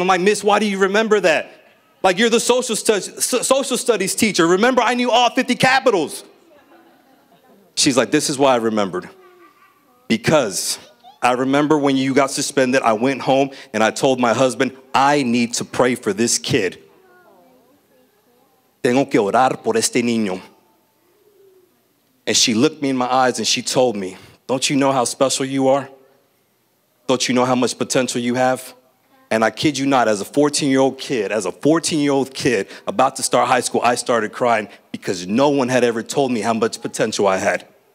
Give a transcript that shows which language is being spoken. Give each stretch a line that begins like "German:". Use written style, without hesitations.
English: I'm like, miss, why do you remember that? Like, you're the social studies teacher. Remember, I knew all 50 capitals. She's like, this is why I remembered. Because I remember when you got suspended, I went home and I told my husband, I need to pray for this kid.
Spanish: Tengo que orar por este niño.
English: And she looked me in my eyes and she told me, don't you know how special you are? Don't you know how much potential you have? And I kid you not, as a 14-year-old kid about to start high school, I started crying because no one had ever told me how much potential I had.